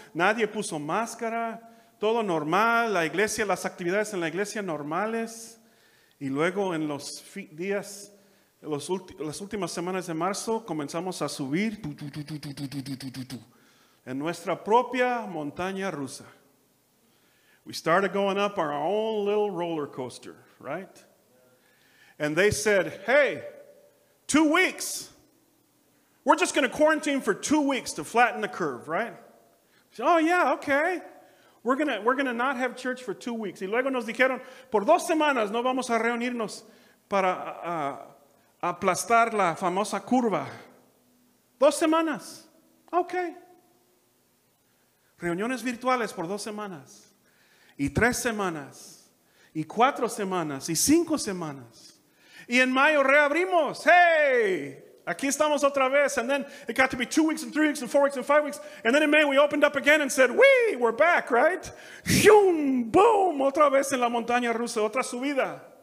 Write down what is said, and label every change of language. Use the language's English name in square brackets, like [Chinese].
[Spanish] Nadie puso máscara. Todo normal. La iglesia, las actividades en la iglesia normales. Y luego en los días, las últimas semanas de marzo, comenzamos a subir en nuestra propia montaña rusa. [English] We started going up our own little roller coaster, right? And they said, hey, 2 weeks. We're just going to quarantine for 2 weeks to flatten the curve, right? Said, oh, yeah, okay. We're gonna not have church for 2 weeks. [Spanish] Y luego nos dijeron, por dos semanas no vamos a reunirnos para aplastar la famosa curva. Dos semanas. Okay. Reuniones virtuales por dos semanas. Y tres semanas. Y cuatro semanas. Y cinco semanas. Y en mayo reabrimos. Hey! Aquí estamos otra vez. [English] And then it got to be 2 weeks and 3 weeks and 4 weeks and 5 weeks. And then in May we opened up again and said, we're back, right? [Spanish] Hum, boom, otra vez en la montaña rusa, otra subida.